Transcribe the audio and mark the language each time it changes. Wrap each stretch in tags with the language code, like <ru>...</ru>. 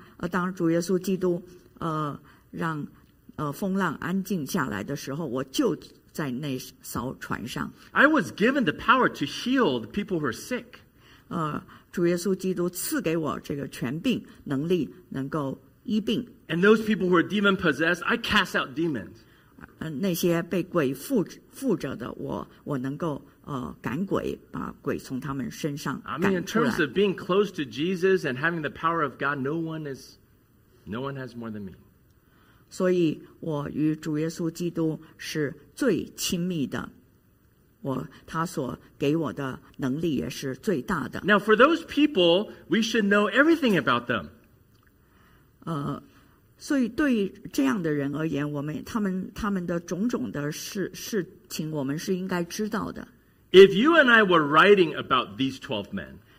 <zh>当主耶稣基督让风浪安静下来的时候，我就在那艘船上。</zh> <en>I was given the power to heal the people who are sick.</en> <zh>主耶稣基督赐给我这个权柄能力，能够医病。</zh> <en>And those people who are demon possessed, I cast out demons.</en> <zh>那些被鬼附着的，我能够赶鬼，把鬼从他们身上赶出来。</zh> <en>I mean, in terms of being close to Jesus and having the power of God, no one has more than me.</en> <zh>所以我与主耶稣基督是最亲密的，他所给我的能力也是最大的。</zh> <en>Now, for those people, we should know everything about them.</en> <zh>所以对于这样的人而言，他们的种种的事情我们是应该知道的。</zh> <en>If you and I were writing about these 12 men,</en>